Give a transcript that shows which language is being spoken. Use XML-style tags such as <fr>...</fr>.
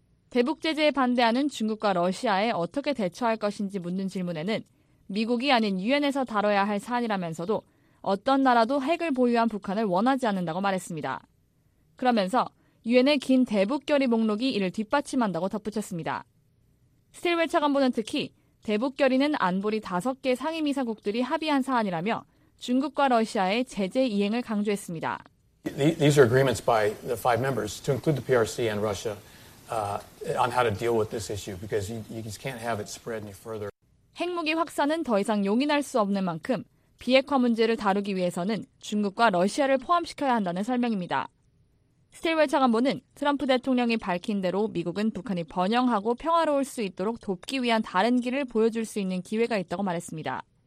<ko>대북 제재에 반대하는 중국과 러시아에 어떻게 대처할 것인지 묻는 질문에는 미국이 아닌 유엔에서 다뤄야 할 사안이라면서도 어떤 나라도 핵을 보유한 북한을 원하지 않는다고 말했습니다. 그러면서 유엔의 긴 대북 결의 목록이 이를 뒷받침한다고 덧붙였습니다. 스틸웰 차관보는 특히 대북 결의는 안보리 5개 상임이사국들이 합의한 사안이라며 중국과 러시아의 제재 이행을 강조했습니다.</ko> <en>These are agreements by the five members to include the PRC and Russia on how to deal with this issue because you just can't have it spread any further.</en> <ko>핵무기 확산은 더 이상 용인할 수 없는 만큼 비핵화 문제를 다루기 위해서는 중국과 러시아를 포함시켜야 한다는 설명입니다. 스틸웰 차관보는 트럼프 대통령이 밝힌 대로 미국은 북한이 번영하고 평화로울 수 있도록 돕기 위한 다른 길을 보여줄 수 있는 기회가 있다고 말했습니다.</ko>